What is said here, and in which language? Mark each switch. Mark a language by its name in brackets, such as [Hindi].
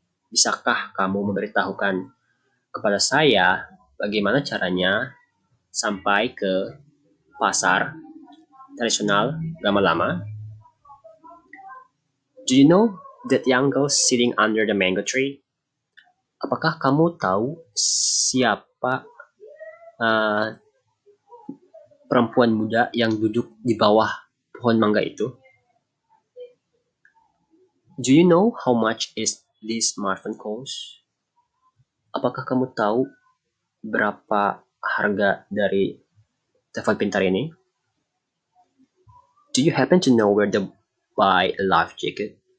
[Indonesian] Bisakah kamu memberitahukan kepada saya bagaimana caranya sampai ke pasar tradisional Gama Lama? [English] Do you know that young girl sitting under the mango tree? [Indonesian] Apakah kamu tahu siapa perempuan muda yang duduk di bawah pohon mangga itu? [English] Do you know how much is this smartphone cost? [Indonesian] Apakah kamu tahu berapa harga dari telepon pintar ini? [English] Do you happen to know where to buy a life jacket?